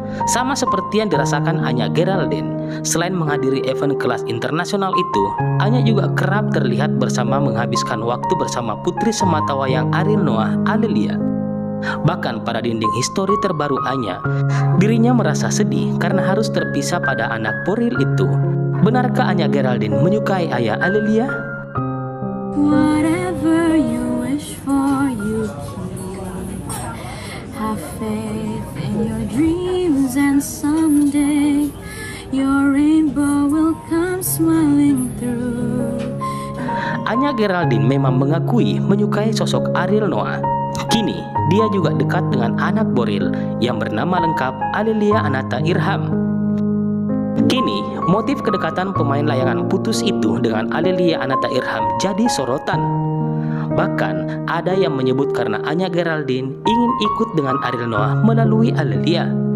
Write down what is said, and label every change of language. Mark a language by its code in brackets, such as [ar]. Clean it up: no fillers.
[id] Sama seperti yang dirasakan Anya Geraldine, selain menghadiri event kelas internasional itu, Anya juga kerap terlihat bersama menghabiskan waktu bersama putri semata wayang Ariel Noah, Alelia. Bahkan pada dinding histori terbaru Anya, dirinya merasa sedih karena harus terpisah pada anak poril itu. Benarkah Anya Geraldine menyukai ayah Alelia? [en] Whatever you wish for, you keep. Have faith in your dreams and someday your rainbow will come smiling through. [id] Anya Geraldine memang mengakui menyukai sosok Ariel Noah. Kini, dia juga dekat dengan anak boril yang bernama lengkap Alelia Anata Irham. Kini, motif kedekatan pemain layangan putus itu dengan Alelia Anata Irham jadi sorotan. Bahkan, ada yang menyebut karena Anya Geraldine ingin ikut dengan Ariel Noah melalui Alelia.